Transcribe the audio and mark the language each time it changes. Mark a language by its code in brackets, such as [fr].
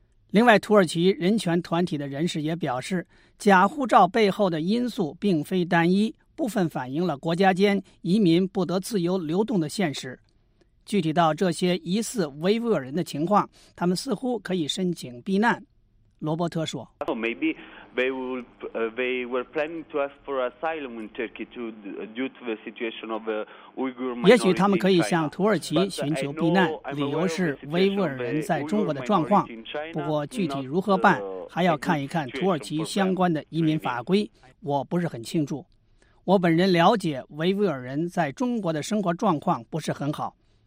[zh] 另外，土耳其人权团体的人士也表示，假护照背后的因素并非单一，部分反映了国家间移民不得自由流动的现实。具体到这些疑似维吾尔人的情况，他们似乎可以申请避难。罗伯特说 [en] ：“Maybe they were planning to ask for asylum in Turkey due to the situation of the Uyghur minority. [zh] 也许他们可以向土耳其寻求避难，理由是维吾尔人在中国的状况。不过具体如何办，还要看一看土耳其相关的移民法规。我不是很清楚。我本人了解维吾尔人在中国的生活状况不是很好。”